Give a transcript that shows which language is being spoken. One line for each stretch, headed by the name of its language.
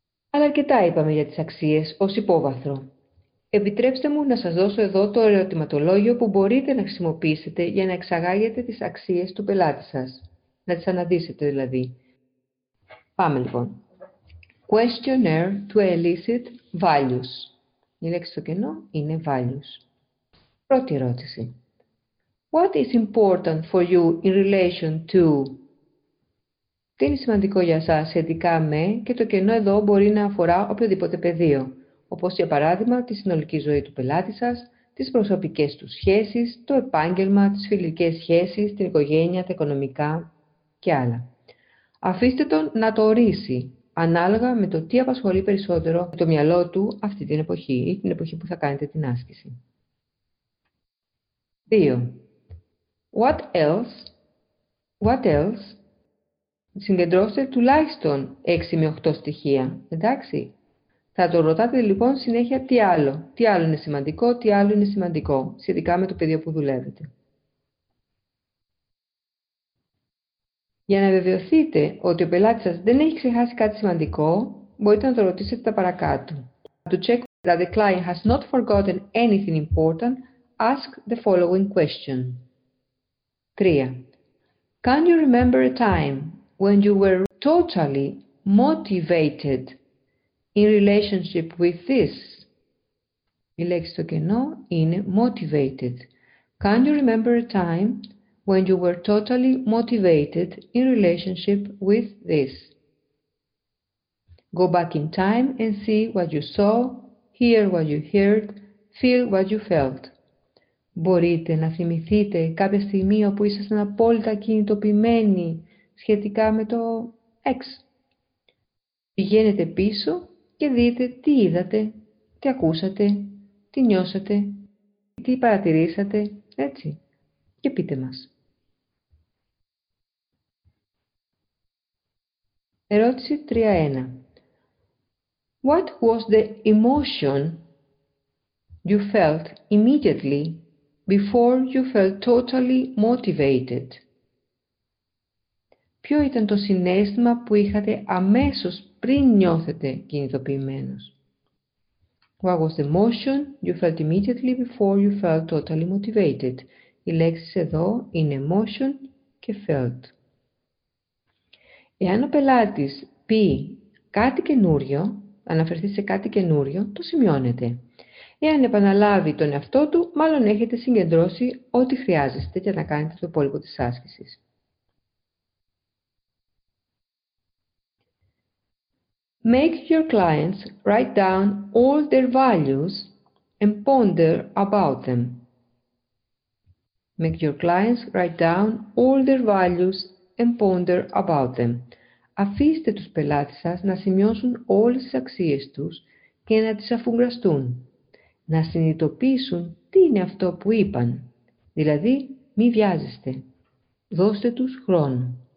Greek: Αλλά αρκετά είπαμε για τις αξίες ως υπόβαθρο. Επιτρέψτε μου να σας δώσω εδώ το ερωτηματολόγιο που μπορείτε να χρησιμοποιήσετε για να εξαγάγετε τις αξίες του πελάτη σας. Να τις αναδύσετε δηλαδή. Πάμε λοιπόν.
English: Questionnaire to elicit values.
Greek: Η λέξη στο κενό είναι values. Πρώτη ερώτηση.
English: What is important for you in relation to?
Greek: Τι είναι σημαντικό για σας σχετικά με και το κενό εδώ μπορεί να αφορά οποιοδήποτε πεδίο, όπως για παράδειγμα τη συνολική ζωή του πελάτη σας, τις προσωπικές του σχέσεις, το επάγγελμα, τις φιλικές σχέσεις, την οικογένεια, τα οικονομικά και άλλα. Αφήστε τον να το ορίσει ανάλογα με το τι απασχολεί περισσότερο το μυαλό του αυτή την εποχή ή την εποχή που θα κάνετε την άσκηση.
English: 2. What else? What else?
Greek: Συγκεντρώστε τουλάχιστον 6 με 8 στοιχεία, εντάξει. Θα το ρωτάτε λοιπόν συνέχεια τι άλλο. Τι άλλο είναι σημαντικό, τι άλλο είναι σημαντικό, σχετικά με το πεδίο που δουλεύετε. Για να βεβαιωθείτε ότι ο πελάτης σας δεν έχει ξεχάσει κάτι σημαντικό, μπορείτε να το ρωτήσετε τα παρακάτω.
English: To check that the client has not forgotten anything important, ask the following question. 3. Can you remember a time when you were totally motivated in relationship with this?
Greek: Η λέξη στο κενό είναι motivated.
English: Can you remember a time when you were totally motivated in relationship with this? Go back in time and see what you saw, hear what you heard, feel what you felt.
Greek: Μπορείτε να θυμηθείτε κάποια στιγμή όπου ήσασταν απόλυτα κινητοποιημένοι σχετικά με το X. Πηγαίνετε πίσω και δείτε τι είδατε, τι ακούσατε, τι νιώσατε, τι παρατηρήσατε, έτσι, και πείτε μας. Ερώτηση 3.1.
English: What was the emotion you felt immediately before you felt totally motivated?
Greek: Ποιο ήταν το συνέστημα που είχατε αμέσως πριν νιώθετε κινητοποιημένος?
English: What was the emotion you felt immediately before you felt totally motivated?
Greek: Οι λέξεις εδώ είναι emotion και felt. Εάν ο πελάτης πει κάτι καινούριο, αναφερθεί σε κάτι καινούριο, το σημειώνετε. Εάν επαναλάβει τον εαυτό του, μάλλον έχετε συγκεντρώσει ό,τι χρειάζεστε για να κάνετε το υπόλοιπο της άσκησης.
English: Make your clients write down all their values and ponder about them. Make your clients write down all their values and ponder about them.
Greek: Αφήστε τους πελάτες σας να σημειώσουν όλες τις αξίες τους και να τις αφουγκραστούν. Να συνειδητοποιήσουν τι είναι αυτό που είπαν. Δηλαδή, μη βιάζεστε. Δώστε τους χρόνο.